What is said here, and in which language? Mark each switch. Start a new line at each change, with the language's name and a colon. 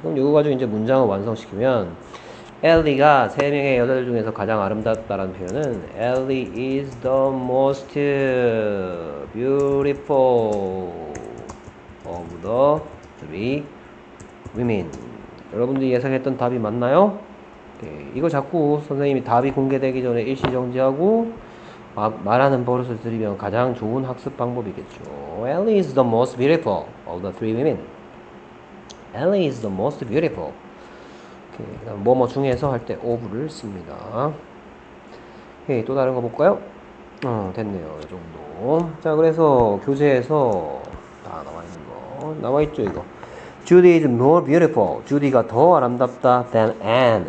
Korean: 그럼 이거 가지고 이제 문장을 완성시키면 엘리가 세 명의 여자들 중에서 가장 아름답다라는 표현은 엘리
English: is the most beautiful of the three women.
Korean: 여러분들이 예상했던 답이 맞나요? 오케이. 이거 자꾸 선생님이 답이 공개되기 전에 일시정지하고 말하는 버릇을 들이면 가장 좋은 학습 방법이겠죠.
English: Ellie is the most beautiful of the three women. Ellie is the most beautiful.
Korean: 그다음 뭐뭐 중에서 할때 of를 씁니다. 오케이. 또 다른 거 볼까요? 됐네요. 이 정도. 자, 그래서 교재에서 다 나와 있는 거. 나와 있죠, 이거.
English: Judy is more beautiful.
Korean: Judy가 더 아름답다
English: than Anne.